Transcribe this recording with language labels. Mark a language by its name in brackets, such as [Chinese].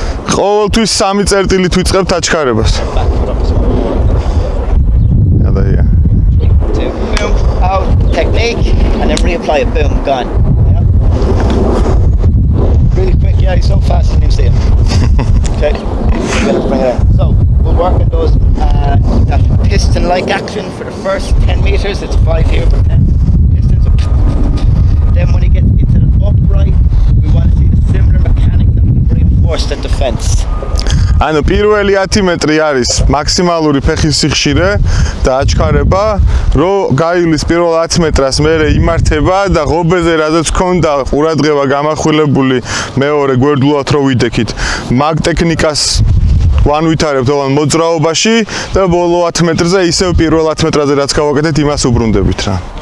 [Georgian] ყოველთვის 3 წერტილით ვიწყებთ აჩქარებას. გადაია. [English] Boom, out, technique and then reapply it, boom, gone. Really quick, yeah, he's so fast, you can see him. Okay, we're going to bring it out. So, we're working those that piston-like action for the first 10 meters. It's 5 here, but 10 pistons. Then when he gets into the upright, we want to see the similar mechanic that we reinforce the defense. [Georgian] ანუ პირველი 10 მეტრი არის მაქსიმალური ფეხის სიხშირე და აჩქარება, რომ გაივლის პირველ 10 მეტრას, მერე იმართება და ღობეზე რაც ქონდა ყურადღება გამახვილებული, მეორე გვერდულად რო ვიდექით, მაგ ტექნიკას ვანვითარებთ ოღონდ მოძრაობაში და ბოლო 10 მეტრზე ისევ პირველ 10 მეტრაზე რაც გავაკეთეთ, იმას უბრუნდებით რა.